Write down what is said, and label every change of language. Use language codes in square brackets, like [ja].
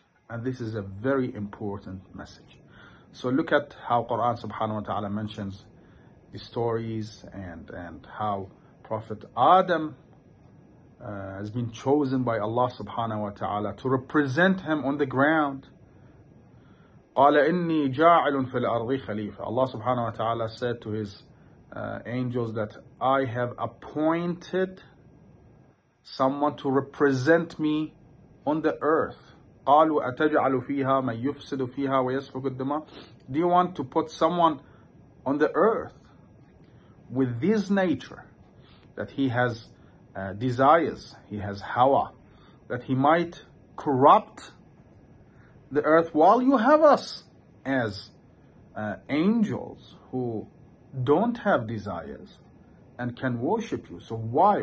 [en] And this is a very important message. So look at how Quran subhanahu wa ta'ala mentions the stories and how Prophet Adam has been chosen by Allah subhanahu wa ta'ala to represent him on the ground. [ar] قال إني جاعل في الأرض خليفة. [en] Allah subhanahu wa ta'ala said to his angels that I have appointed someone to represent me on the earth. [ar] قالوا أتجعل فيها من يفسد فيها ويسفك الدماء. [en] Do you want to put someone on the earth with this nature, that he has desires, he has hawa, that he might corrupt the earth while you have us as angels who don't have desires and can worship you? So why?